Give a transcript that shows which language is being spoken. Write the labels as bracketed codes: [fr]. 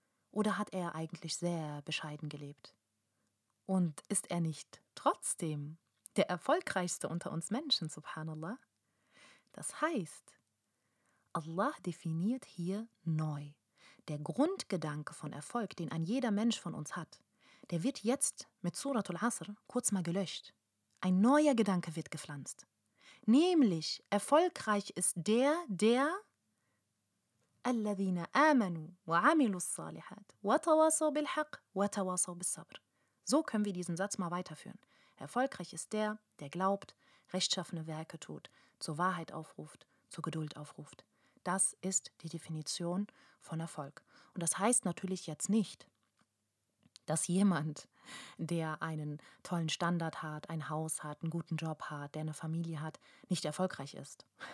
[de] Oder hat er eigentlich sehr bescheiden gelebt? Und ist er nicht trotzdem der erfolgreichste unter uns Menschen, subhanallah? Das heißt, Allah definiert hier neu. der Grundgedanke von Erfolg, den ein jeder Mensch von uns hat, der wird jetzt mit Suratul Asr kurz mal gelöscht. Ein neuer Gedanke wird gepflanzt. Nämlich, erfolgreich ist der, der [ar] الذين آمنوا وعملوا الصالحات وتواصوا بالحق وتواصوا بالصبر. [de] So können wir diesen Satz mal weiterführen. Erfolgreich ist der, der glaubt, rechtschaffene Werke tut, zur Wahrheit aufruft, zur Geduld aufruft. Das ist die Definition von Erfolg. Und das heißt natürlich jetzt nicht, dass jemand, der einen tollen Standard hat, ein Haus hat, einen guten Job hat, der eine Familie hat, nicht erfolgreich ist.